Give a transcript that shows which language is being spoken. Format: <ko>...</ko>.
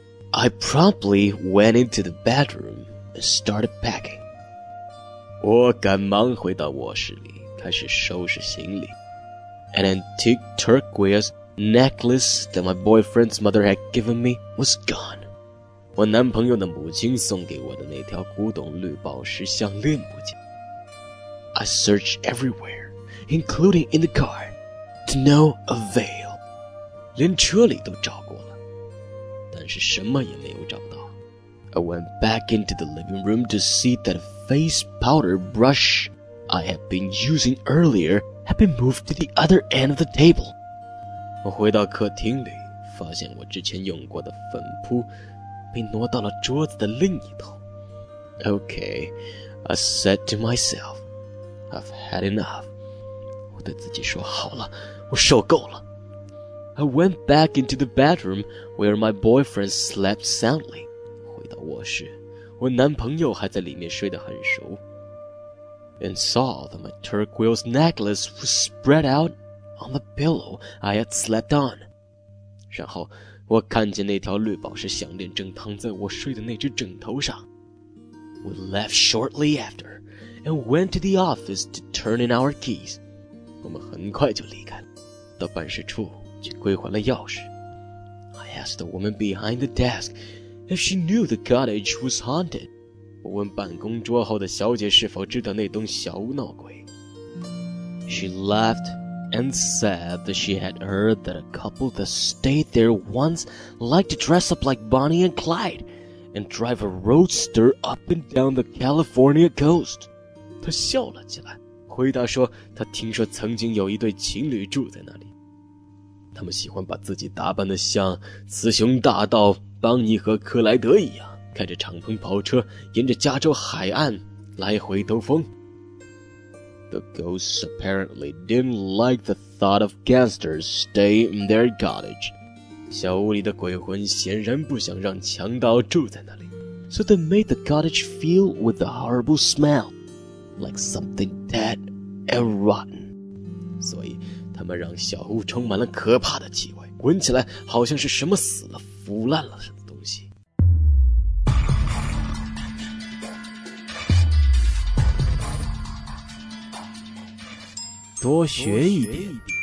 <en>I promptly went into the bedroom and started packing.</en> <zh>我赶忙回到卧室里，开始收拾行李。</zh> <en>An antique turquoise necklace that my boyfriend's mother had given me was gone.</en> <zh>我男朋友的母亲送给我的那条古董绿宝石项链不见。</zh> <en>I searched everywhere, including in the car, to no avail.</en> <zh>连车里都找过了，但是什么也没有找到。</zh> <en>I went back into the living room to see that a face powder brush I had been using earlier had been moved to the other end of the table.</en> <zh>我回到客厅里，发现我之前用过的粉扑被挪到了桌子的另一头。</zh> <en>Okay, I said to myself, I've had enough.</en> <zh>我对自己说，好了，我受够了。</zh> <en>I went back into the bedroom where my boyfriend slept soundly.</en> <zh>到卧室，我男朋友还在里面睡得很熟。</zh> <en>And saw that my turquoise necklace was spread out on the pillow I had slept on.</en> <zh>然后我看见那条绿宝石项链正躺在我睡的那只枕头上。</zh> <en>We left shortly after and went to the office to turn in our keys.</en> <zh>我们很快就离开了，到办事处去归还了钥匙。</zh> <en>I asked the woman behind the desk. If she knew the cottage was haunted,</en> <zh>我问办公桌后的小姐是否知道那栋小屋闹鬼。</zh> <en>She laughed and said that she had heard that a couple that stayed there once liked to dress up like Bonnie and Clyde and drive a roadster up and down the California coast.</en> <zh>她笑了起来，回答说她听说曾经有一对情侣住在那里。他们喜欢把自己打扮得像雌雄大盗邦尼和克莱德一样，开着敞篷跑车沿着加州海岸来回兜风。</zh> <en>The ghosts apparently didn't like the thought of gangsters staying in their cottage.</en> <zh>小屋里的鬼魂显然不想让强盗住在那里。</zh> <en>So they made the cottage fill with a horrible smell, like something dead and rotten.</en> <zh>所以他们让小屋充满了可怕的气味，闻起来好像是什么死了、腐烂了什么东西。多学一点。</zh>